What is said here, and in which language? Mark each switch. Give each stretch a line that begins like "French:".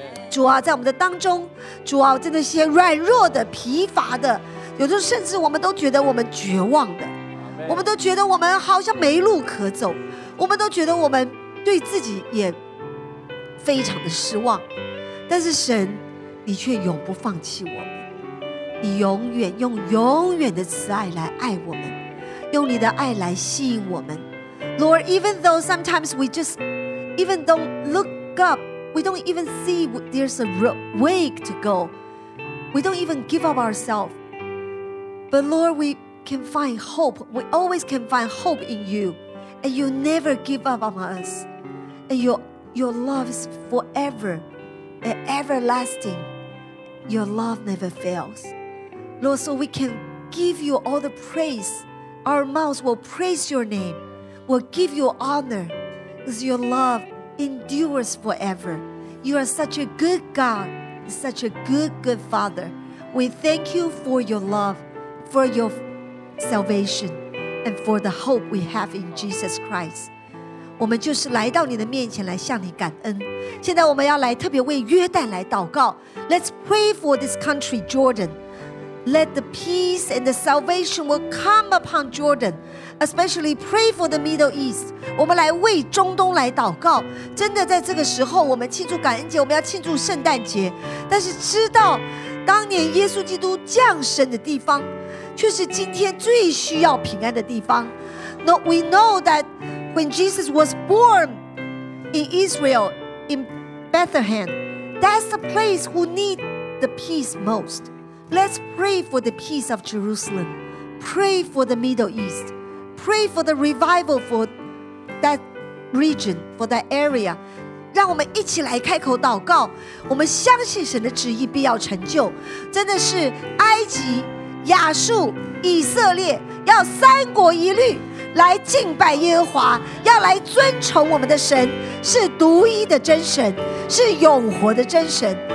Chinese: 主啊，在我们的当中，主啊，在那些软弱的、疲乏的，有的时候甚至我们都觉得我们绝望的，我们都觉得我们好像没路可走，我们都觉得我们对自己也非常的失望，但是神，你却永不放弃我们，你永远用永远的慈爱来爱我们，用你的爱来吸引我们。
English: Lord, even though sometimes we just even don't look up, we don't even see there's a way to go, we don't even give up ourselves, but Lord, we can find hope, we always can find hope in you, and you never give up on us, and your love is forever and everlasting, your love never failsLord, so we can give you all the praise. Our mouths will praise your name, will give you honor, because your love endures forever. You are such a good God, such a good, good Father. We thank you for your love, for your salvation, and for the hope we have in Jesus Christ.
Chinese: 我们就是来到你的面前来向你感恩。现在我们要来特别为约旦来祷告。
English: Let's pray for this country, Jordan. Let the peace and the salvation will come upon Jordan, especially pray for the Middle East.
Chinese: 我们来为中东来祷告。真的，在这个时候，我们庆祝感恩节，我们要庆祝圣诞节。但是，知道当年耶稣基督降生的地方，却是今天最需要平安的地方。
English: No, we know that when Jesus was born in Israel, in Bethlehem, that's the place who need the peace most. Let's pray for the peace of Jerusalem. Pray for the Middle East. Pray for the revival for that region, for that area.
Chinese: 让我们一起来开口祷告。我们相信神的旨意必要成就。真的是埃及、亚述、以色列要三国一律来敬拜耶和华，要来尊崇我们的神，是独一的真神，是永活的真神。